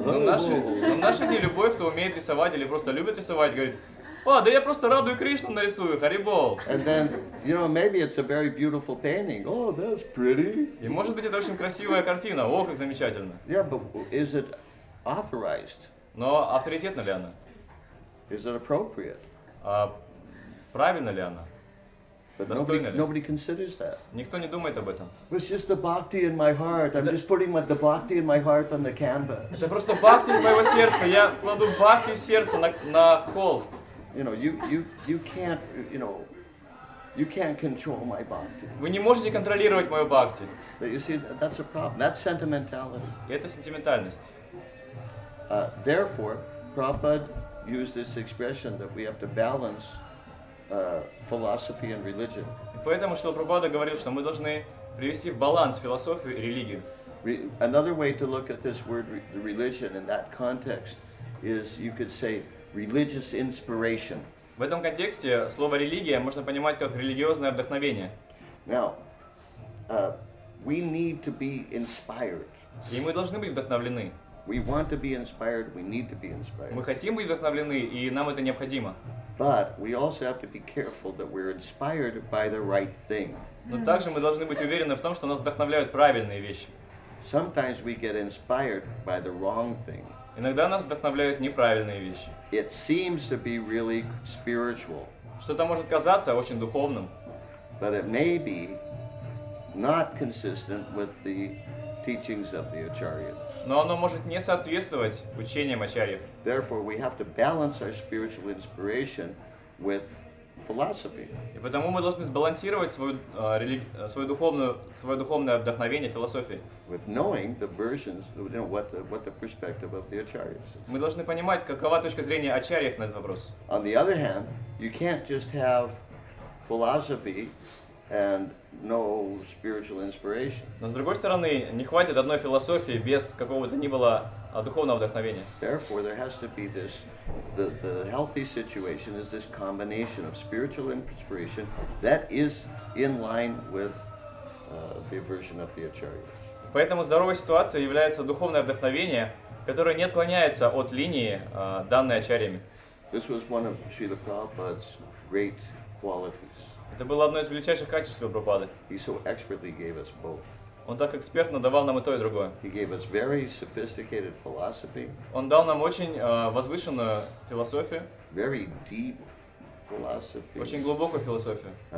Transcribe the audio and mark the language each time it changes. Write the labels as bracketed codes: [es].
[ru] В наши дни любой, кто умеет рисовать или просто любит рисовать, говорит. О, да я просто Раду и Кришну нарисую, Харибол. [en] And then, you know, maybe it's a very beautiful painting. Oh, that's pretty. [ru] И может быть это очень красивая картина. О, как замечательно. [en] Yeah, but is it authorized? [ru] Но авторитетна ли она? [en] Is it appropriate? [ru] А правильно ли она? [en] Nobody considers that. [ru] Никто не думает об этом. [en] It's just the bhakti in my heart. I'm just putting the bhakti in my heart on the canvas. [ru] Это просто бхакти из моего сердца. Я кладу бхакти из сердца на холст. [en] You know, you can't, you know, you can't control my bhakti. [ru] Вы не можете контролировать мою бхакти. [en] But you see, that's a problem. That's sentimentality. [ru] Это сентиментальность. [en] Therefore, Prabhupada used this expression that we have to balance philosophy and religion. [ru] Поэтому что Прабхупада говорил, что мы должны привести в баланс философию и религию. [en] Another way to look at this word, religion, in that context, is you could say. Religious inspiration. [ru] В этом контексте слово религия можно понимать как религиозное вдохновение. [en] Now, we need to be inspired. [ru] И мы должны быть вдохновлены. [en] We want to be inspired. We need to be inspired. [ru] Мы хотим быть вдохновлены, и нам это необходимо. [en] But we also have to be careful that we're inspired by the right thing. [ru] Но также мы должны быть уверены в том, что нас вдохновляют правильные вещи. [en] Sometimes we get inspired by the wrong thing. [ru] Иногда нас вдохновляют неправильные вещи. [en] It seems to be really spiritual. [ru] Что-то может казаться очень духовным. [en] But it may be not consistent with the teachings of the acharyas. [ru] Но оно может не соответствовать учениям ачарьев. [en] Therefore, we have to balance our spiritual inspiration with philosophy. [ru] И потому мы должны сбалансировать свое духовное вдохновение философией. [en] With knowing the versions, you know, what the perspective of the acharyas is. [ru] Мы должны понимать, какова точка зрения ачарьев на этот вопрос. [en] On the other hand, you can't just have philosophy and no spiritual inspiration. [ru] Но с другой стороны, не хватит одной философии без какого-то ни было духовного вдохновения. [en] Therefore, there has to be this, the healthy situation is this combination of spiritual inspiration that is in line with the version of the Acharya. [ru] Поэтому здоровая ситуация является духовное вдохновение, которое не отклоняется от линии, данной Ачарьями. [en] This was one of Srila Prabhupada's great qualities. [ru] Это было одно из величайших качеств Прабхупады. [en] He so expertly gave us both. [ru] Он так экспертно давал нам и то, и другое. [en] He gave us very sophisticated philosophy. [ru] Он дал нам очень возвышенную философию. [en] Very deep philosophy. [ru] Очень глубокую философию.